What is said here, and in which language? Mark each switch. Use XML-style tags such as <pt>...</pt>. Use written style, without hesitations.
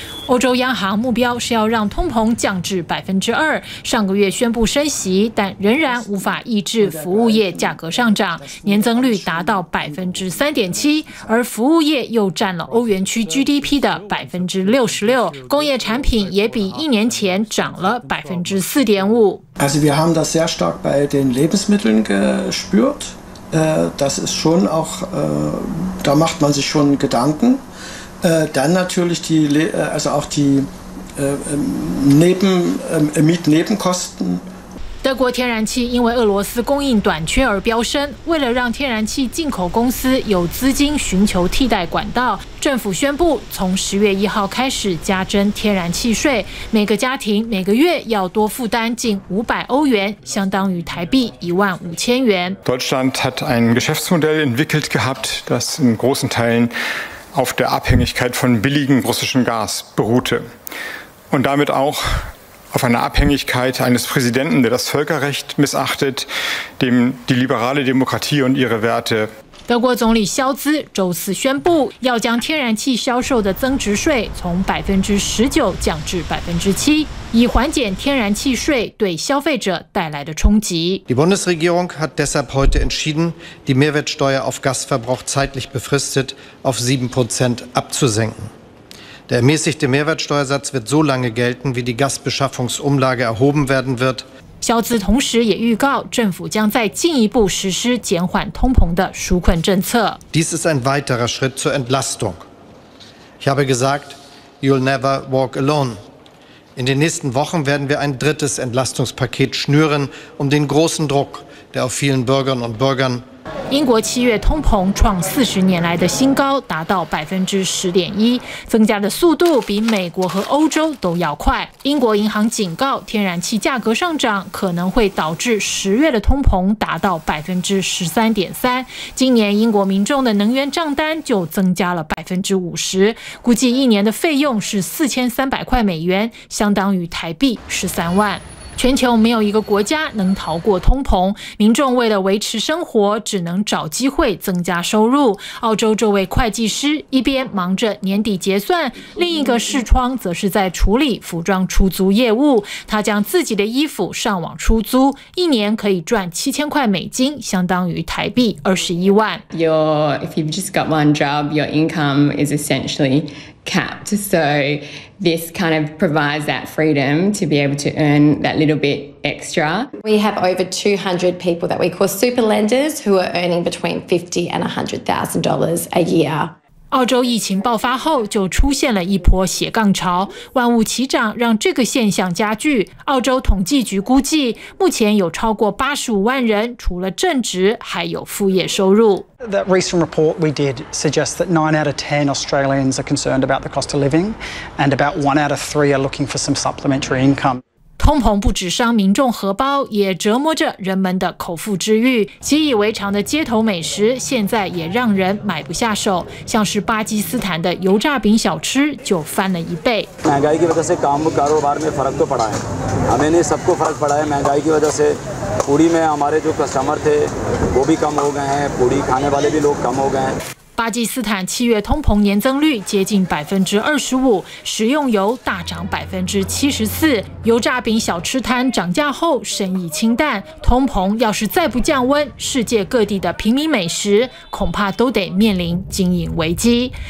<zh>欧洲央行目标是要让通膨降至 2%， 上个月宣布升息，但仍然无法抑制服务业价格上涨，年增率达到 3.7%， 而服务业又占了欧元区 GDP 的 66%， 工业产品也比一年前涨了 4.5%。</zh> <de>Also wir haben das sehr stark bei den Lebensmitteln gespürt, das ist schon auch, da macht man sich schon Gedanken. Dann natürlich die, also auch die Mietnebenkosten.</de> <zh>德国天然气因为俄罗斯供应短缺而飙升，为了让天然气进口公司有资金寻求替代管道，政府宣布从10月1号开始加征天然气税，每个家庭每个月要多负担近500欧元，相当于台币15000元。</zh> <de>Deutschland hat ein Geschäftsmodell entwickelt gehabt, das in großen Teilen auf der Abhängigkeit von billigem russischem Gas beruhte und damit auch auf einer Abhängigkeit eines Präsidenten, der das Völkerrecht missachtet, dem die liberale Demokratie und ihre Werte。</de> <zh>德国总理肖兹周四宣布，要将天然气销售的增值税从19%降至7%，以缓解天然气税对消费者带来的冲击。</zh> <de>Die Bundesregierung hat deshalb heute entschieden, die Mehrwertsteuer auf Gasverbrauch zeitlich befristet auf 7% abzusenken. Der ermäßigte Mehrwertsteuersatz wird so lange gelten, wie die Gasbeschaffungsumlage erhoben werden wird.</de> <zh>肖兹同时也预告，政府将再进一步实施减缓通膨的纾困政策。</zh> <de>Dies ist ein weiterer Schritt zur Entlastung. Ich habe gesagt,</de> <en>you'll never walk alone.</en> <de>In den nächsten Wochen werden wir ein drittes Entlastungspaket schnüren, um den großen Druck, der auf vielen Bürgern und Bürgern</de> <zh>英国七月通膨创40年来的新高，达到10.1%，增加的速度比美国和欧洲都要快。英国银行警告，天然气价格上涨可能会导致十月的通膨达到13.3%。今年英国民众的能源账单就增加了50%，估计一年的费用是4300块美元，相当于台币13万。全球没有一个国家能逃过通膨，民众为了维持生活只能找机会增加收入。澳洲这位会计师一边忙着年底结算，另一个视窗则是在处理服装出租业务。他将自己的衣服上网出租，一年可以赚$7,000，相当于台币21万。</zh> <en>If you've just got one job, your income is essentially capped. So this kind of provides that freedom to be able to earn that little bit extra. We have over 200 people that we call super lenders who are earning between $50,000 and $100,000 a year.</en> <zh>澳洲疫情爆发后就出现了一波斜杠潮，万物齐涨让这个现象加剧。澳洲统计局估计目前有超过85万人除了正职还有副业收入。</zh> <en>That recent report we did suggests that 9 out of 10 Australians are concerned about the cost of living and about 1 out of 3 are looking for some supplementary income.</en> <zh>通膨不只伤民众荷包，也折磨着人们的口腹之欲。习以为常的街头美食现在也让人买不下手，像是巴基斯坦的油炸饼小吃就翻了一倍。</zh> <hi>महंगाई की वजह से काम कारोबार में फर्क तो पड़ा है, हमें नहीं सबको फर्क पड़ा है, महंगाई की वजह से पूरी में हमारे जो कस्टमर थे वो भी कम हो गए हैं, पूरी खाने वाले भी लोग कम हो गए हैं。</hi> <zh>巴基斯坦七月通膨年增率接近25%，食用油大涨74%，油炸饼小吃摊涨价后生意清淡。通膨要是再不降温，世界各地的平民美食恐怕都得面临经营危机。</zh>